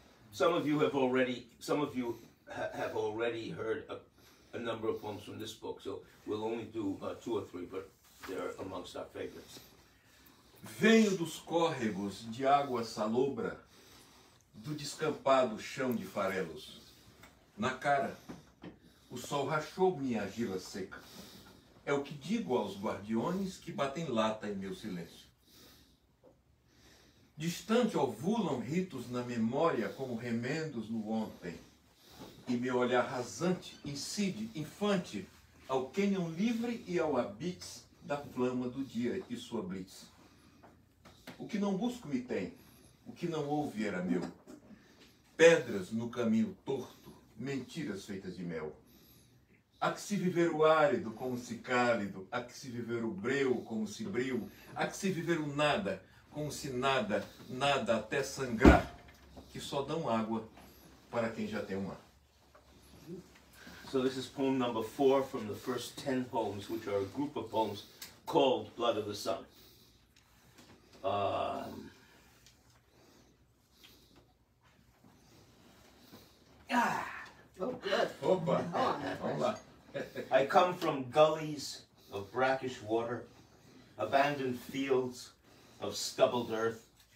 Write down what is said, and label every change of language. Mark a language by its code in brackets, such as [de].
[en] Some of you have already heard a number of poems from this book, so we'll only do two or three, but they're amongst our favorites. [pt] Venho dos córregos de água salobra, do descampado chão de farelos. Na cara, o sol rachou minha argila seca. É o que digo aos guardiões que batem lata em meu silêncio. Distante ovulam ritos na memória como remendos no ontem. E meu olhar rasante incide, infante, ao cânion livre e ao abitz da flama do dia e sua blitz. O que não busco me tem, o que não ouve era meu. Pedras no caminho torto, mentiras feitas de mel. Há que se viver o árido como se cálido, há que se viver o breu como se bril, há que se viver o nada como se nada, nada até sangrar. que só dão água para quem já tem uma. [en] So this is poem number 4 from the first 10 poems, which are a group of poems called Blood of the Sun. I come from gullies of brackish water, abandoned fields of stubbled earth.